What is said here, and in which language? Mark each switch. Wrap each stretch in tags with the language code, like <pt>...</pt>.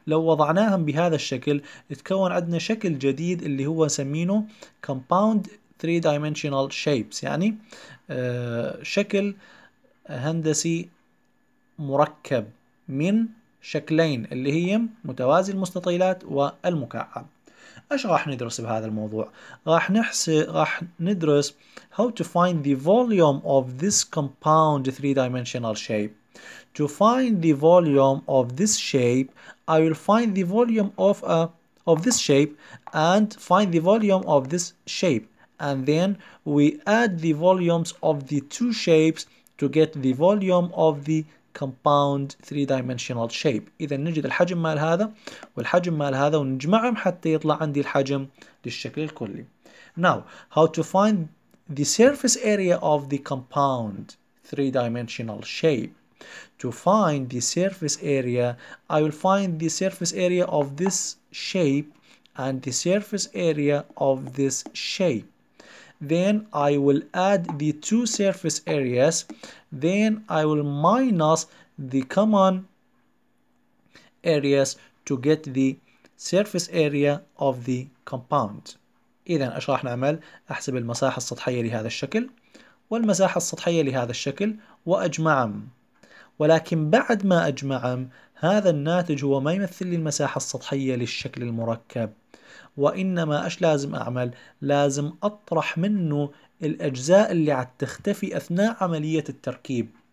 <ar>لو وضعناهم بهذا الشكل يتكون عندنا شكل جديد اللي هو نسمينه</ar> <en>compound three-dimensional shapes،</en> <ar>يعني شكل هندسي مركب من شكلين اللي هي متوازي المستطيلات والمكعب. إيش راح ندرس بهذا الموضوع؟ راح ندرس</ar> <en>how to find the volume of this compound three-dimensional shape. To find the volume of this shape, I will find the volume of this shape and find the volume of this shape. And then we add the volumes of the two shapes to get the volume of the compound three-dimensional shape.</en> <ar>إذا نجد الحجم مال هذا والحجم مال هذا ونجمعهم حتى يطلع عندي الحجم للشكل الكلي.</ar> <en>Now, how to find the surface area of the compound three-dimensional shape? To find the surface area, I will find the surface area of this shape and the surface area of this shape. Then I will add the two surface areas. Then I will minus the common areas to get the surface area of the compound.</en> <ar>إذن إيش راح نعمل؟ أحسب المساحة السطحية لهذا الشكل والمساحة السطحية لهذا الشكل وأجمعهم. ولكن بعد ما أجمعهم هذا الناتج هو ما يمثل لي المساحة السطحية للشكل المركب، وإنما إيش لازم أعمل؟ لازم أطرح منه الأجزاء اللي عاد تختفي أثناء عملية التركيب.</ar>